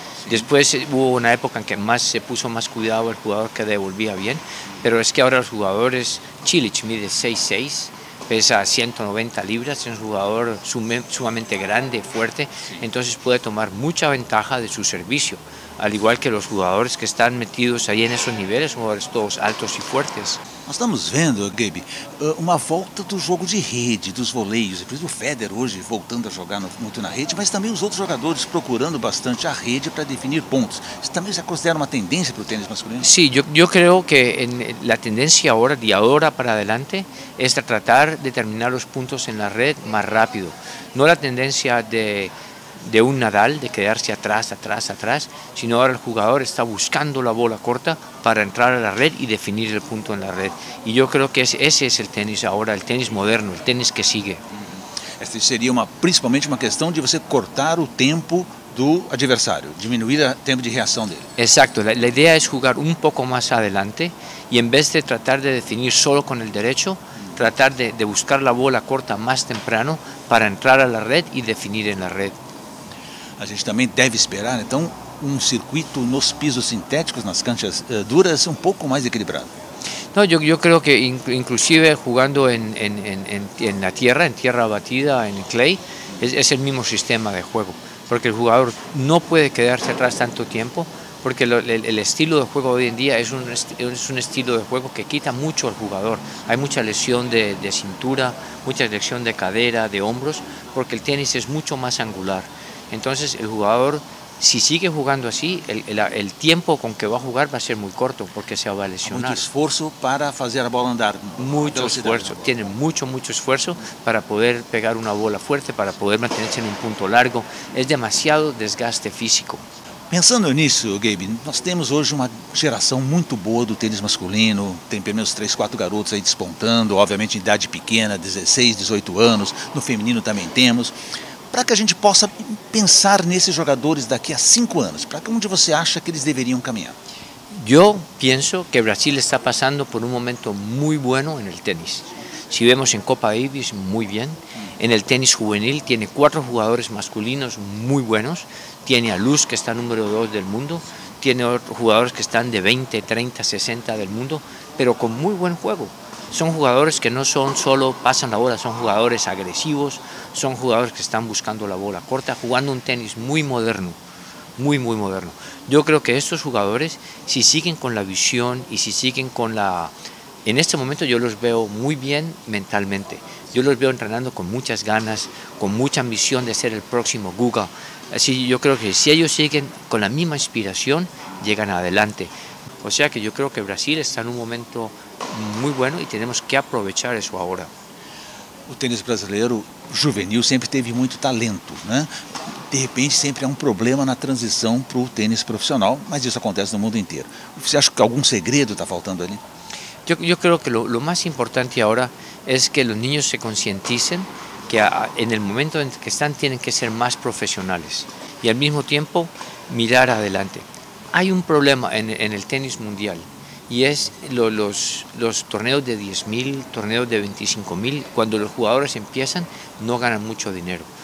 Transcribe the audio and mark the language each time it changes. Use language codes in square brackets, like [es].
[es] Después hubo una época en que más se puso más cuidado el jugador que devolvía bien, pero es que ahora los jugadores, Cilic mide 6'6", pesa 190 libras, es un jugador sumamente grande, fuerte, entonces puede tomar mucha ventaja de su servicio, al igual que los jugadores que están metidos ahí en esos niveles, jugadores todos altos y fuertes. [pt] Nós estamos vendo, Gabe, uma volta do jogo de rede, dos voleios. Por exemplo, o Federer hoje voltando a jogar muito na rede, mas também os outros jogadores procurando bastante a rede para definir pontos. Isso também já considera uma tendência para o tênis masculino? Sim, eu creio que a tendência agora, de agora para adelante, é tratar de terminar os pontos na rede mais rápido. Não a tendência de [es] un Nadal, de quedarse atrás, sino ahora el jugador está buscando la bola corta para entrar a la red y definir el punto en la red. Y yo creo que ese es el tenis ahora, el tenis moderno, el tenis que sigue. Este sería principalmente una cuestión de você cortar el tiempo del adversario, disminuir el tiempo de reacción de él. Exacto, la idea es jugar un poco más adelante y en vez de tratar de definir solo con el derecho, tratar de buscar la bola corta más temprano para entrar a la red y definir en la red. [pt] A gente também deve esperar, então, um circuito nos pisos sintéticos, nas canchas duras, um pouco mais equilibrado. Não, eu creio que, inclusive, jogando na terra, em terra batida, em clay, é o mesmo sistema de jogo. Porque o jogador não pode [es] quedarse atrás [pt] tanto tempo, [es] porque el estilo de juego hoy en día es un estilo de juego que quita mucho al jugador. Hay mucha lesión de cintura, mucha lesión de cadera, de hombros, porque el tenis es mucho más angular. Entonces el jugador, si sigue jugando así, el tiempo con que va a jugar va a ser muy corto, porque se va a lesionar. Mucho esfuerzo para hacer la bola andar. Mucho esfuerzo, tiene mucho, mucho esfuerzo para poder pegar una bola fuerte, para poder mantenerse en un punto largo. Es demasiado desgaste físico. [pt] Pensando nisso, Gabe, nós temos hoje uma geração muito boa do tênis masculino, tem pelo menos 3, 4 garotos aí despontando, obviamente em idade pequena, 16, 18 anos, no feminino também temos. Para que a gente possa pensar nesses jogadores daqui a 5 anos, para onde você acha que eles deveriam caminhar? Eu penso que o Brasil está passando por um momento muito bom no tênis. [es] Si vemos en Copa Davis, muy bien. En el tenis juvenil tiene 4 jugadores masculinos muy buenos. Tiene a Luz, que está número 2 del mundo. Tiene otros jugadores que están de 20, 30, 60 del mundo, pero con muy buen juego. Son jugadores que no son solo pasan la bola, son jugadores agresivos, son jugadores que están buscando la bola corta, jugando un tenis muy moderno, muy, muy moderno. Yo creo que estos jugadores, si siguen con la visión y si siguen con la... En este momento yo los veo muy bien mentalmente. Yo los veo entrenando con muchas ganas, con mucha ambición de ser el próximo Guga. Así yo creo que si ellos siguen con la misma inspiración, llegan adelante. O sea que yo creo que Brasil está en un momento muy bueno y tenemos que aprovechar eso ahora. [pt] O tenis brasileiro juvenil sempre teve muito talento, né? De repente sempre há um problema na transição para o tênis profissional, mas isso acontece no mundo inteiro. Você acha que algum segredo está faltando ali? [es] Yo creo que lo más importante ahora es que los niños se concienticen que en el momento en que están tienen que ser más profesionales y al mismo tiempo mirar adelante. Hay un problema en el tenis mundial y es los torneos de 10.000, torneos de 25.000, cuando los jugadores empiezan no ganan mucho dinero.